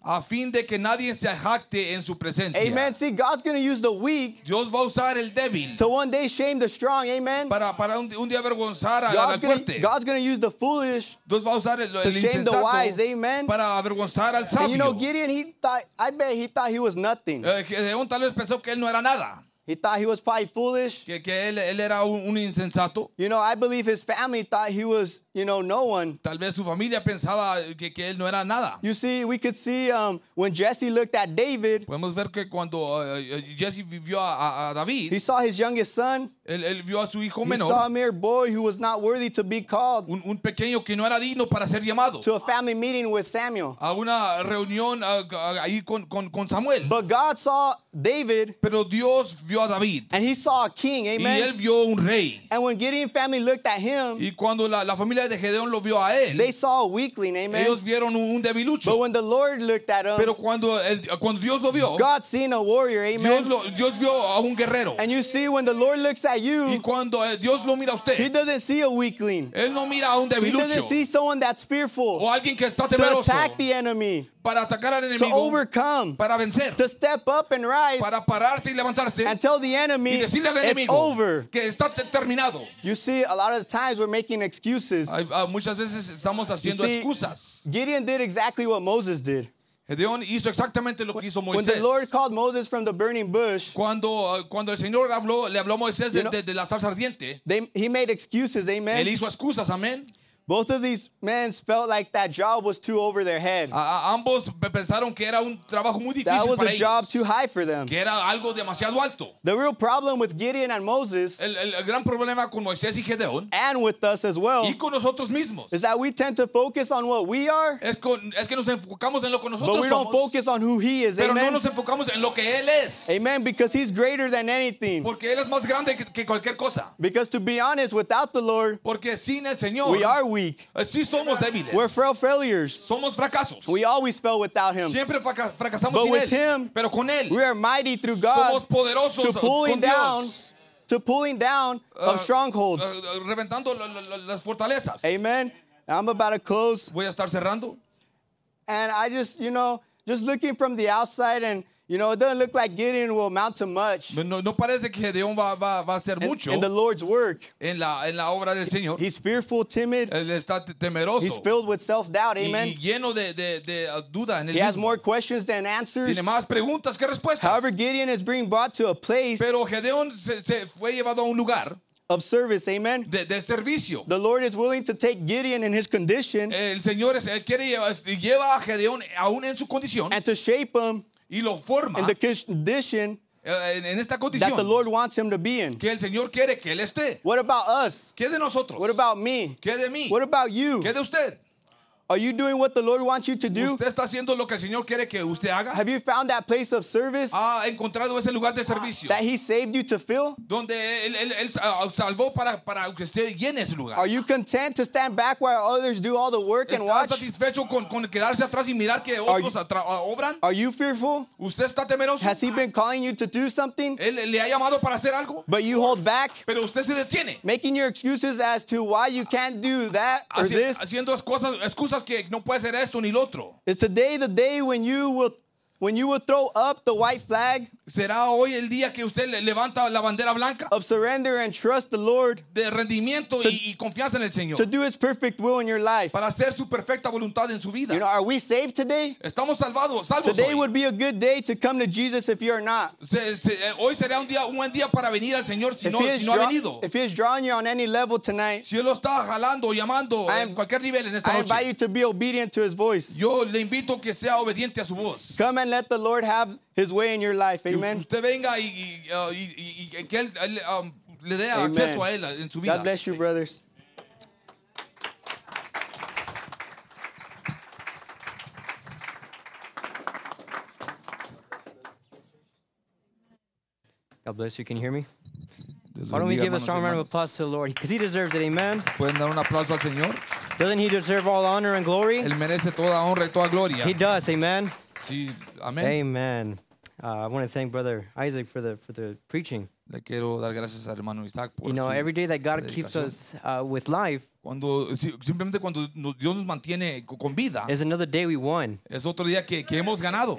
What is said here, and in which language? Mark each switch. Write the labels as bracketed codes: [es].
[es] A fin de que nadie se jacte en su presencia. [en] Amen. See, God's going to use the weak. [es] Dios va a usar el débil. [en] To one day shame the strong. Amen. [es] Para un día avergonzar al fuerte. [en] God's going to use the foolish. [es] Dios va a usar el insensato. [en] To shame the wise. Amen. [es] Para avergonzar al sabio. [en] And you know, Gideon, I bet he thought he was nothing. [es] Gideon tal vez pensó que él no era nada. [en] He thought he was probably foolish. [es] Que él era un insensato. [en] You know, I believe his family thought he was, you know, no one. [es] Tal vez su familia pensaba que él no era nada. [en] You see, we could see when Jesse looked at David. [es] Podemos ver que cuando Jesse vio a David. [en] He saw his youngest son. [es] Él vio a su hijo [en] he [es] menor. [en] He saw a mere boy who was not worthy to be called. [es] Un pequeño que no era digno para ser llamado. [en] To a family meeting with Samuel. [es] A una reunión ahí con Samuel. [en] But God saw David. [es] Pero Dios vio a David. [en] And he saw a king, amen. [es] Y él vio un rey. [en] And when Gideon's family looked at him. [es] Y cuando la familia de Gedeón lo vio a él. [en] They saw a weakling, amen. [es] Ellos vieron un debilucho. [en] But when the Lord looked at him. [es] Pero cuando Dios lo vio. [en] God seen a warrior, amen. [es] Dios vio a un guerrero. [en] And you see, when the Lord looks at you. [es] Y cuando Dios lo mira a usted. [en] He doesn't see a weakling. [es] Él no mira a un debilucho. [en] He doesn't see someone that's fearful. [es] O alguien que está temeroso. [en] To attack the enemy. [es] Para atacar al enemigo, [en] to overcome, [es] para vencer, [en] to step up and rise, [es] para pararse y levantarse, [en] and tell the enemy [es] y decirle al enemigo [en] it's over. [es] Que está terminado. [en] You see, a lot of the times we're making excuses. [es] Muchas veces estamos haciendo excusas. [en] Gideon did exactly what Moses did. [es] Gedeón hizo exactamente lo que hizo Moisés. [en] When the Lord called Moses from the burning bush, [es] cuando el Señor le habló a Moisés de la zarza ardiente, [en] he made excuses, amen. [es] Él hizo excusas, amén. [en] Both of these men felt like that job was too over their head. [es] Ambos pensaron que era un trabajo muy difícil para ellos. [en] That was a job too high for them. [es] Que era algo demasiado alto. [en] The real problem with Gideon and Moses. [es] El gran problema con Moisés y Gedeón. [en] And with us as well. [es] Y con nosotros mismos. [en] Is that we tend to focus on what we are. [es] Es que nos enfocamos en lo que nosotros somos. [en] we don't focus on who he is. [es] Pero amen. Pero no nos enfocamos en lo que él es. [en] Amen. Because he's greater than anything. [es] Porque él es más grande que cualquier cosa. [en] Because to be honest, without the Lord. [es] Porque sin el Señor. [en] We are weak. [es] Sí, somos débiles. [en] We're frail failures. [es] Somos fracasos. [en] We always fail without him. [es] Siempre fracasamos [en] but [es] sin [en] with [es] él. [en] Him, [es] pero con él, [en] we are mighty through God. [es] Somos poderosos [en] to pulling [es] con Dios. [en] Down, to pulling down of strongholds. [es] Reventando las fortalezas. [en] Amen. I'm about to close. [es] Voy a estar cerrando. [en] And I just, you know, just looking from the outside and, you know, it doesn't look like Gideon will amount to much. [es] No parece que Gideon va a hacer mucho. [en] In the Lord's work. [es] En la obra del Señor. [en] He's fearful, timid. [es] Él está temeroso. [en] He's filled with self-doubt, amen. [es] Y lleno de duda en el [en] He Has more questions than answers. [es] Tiene más preguntas que respuestas. [en] However, Gideon is being brought to a place. [es] Pero Gideon se fue llevado a un lugar. [en] Of service, amen. [es] De servicio. [en] The Lord is willing to take Gideon in his condition. [es] El Señor quiere lleva a Gideon aún en su condición. [en] And to shape him. [es] Y lo forma [en] in the condition [es] en esta condición [en] that the Lord wants him to be in. [es] Que el Señor quiere que él esté. [en] What about us? [es] ¿Qué de nosotros? [en] What about me? [es] ¿Qué de mí? [en] What about you? [es] ¿Qué de usted? [en] Are you doing what the Lord wants you to do? [es] ¿Usted está haciendo lo que el Señor quiere que usted haga? [en] Have you found that place of service? [es] ¿Ha encontrado ese lugar de servicio? [en] That he saved you to fill? [es] Donde él salvó para que usted llene ese lugar. [en] Are you content to stand back while others do all the work and watch? [es] ¿Está satisfecho con quedarse atrás y mirar que otros obran? [en] Are you fearful? [es] ¿Usted está temeroso? [en] Has he been calling you to do something? [es] ¿Él le ha llamado para hacer algo? [en] But you hold back. [es] Pero usted se detiene. [en] Making your excuses as to why you can't do that or this. [es] Haciendo excusas que no puede ser esto ni el otro. [en] Is today the day when you will throw up the white flag? [es] ¿Será hoy el día que usted levanta la bandera blanca? [en] Of surrender and trust the Lord. [es] De rendimiento y confianza en el Señor. [en] To do his perfect will in your life. [es] Para hacer su perfecta voluntad en su vida. [en] You know, are we saved today? [es] ¿Estamos salvados? ¿Salvos [en] today [es] hoy? [en] Would be a good day to come to Jesus if you are not. [es] Hoy sería un buen día para venir al Señor si no ha venido. [en] If he is drawing you on any level tonight. [es] Si él lo está jalando o llamando en cualquier nivel en esta noche. [en] I invite you to be obedient to his voice. [es] Yo le invito que sea obediente a su voz. [en] Come and let the Lord have his way in your life. Amen. [es] Usted venga y que él le dé acceso a él en su vida. [en] God bless you, brothers. God bless you. Can you hear me? Why don't we give a strong round of applause to the Lord? Because he deserves it. Amen. [es] ¿Pueden dar un aplauso al Señor? [en] Doesn't he deserve all honor and glory? [es] Él merece toda honra y toda gloria. [en] He does. Amen. [es] Sí, amen. [en] Amen. I want to thank Brother Isaac for the preaching. [es] Le quiero dar gracias al hermano Isaac por [en] you know, every day that God keeps us with life [es] simplemente cuando Dios nos mantiene con vida, [en] is another day we won. [es] Es otro día que hemos ganado.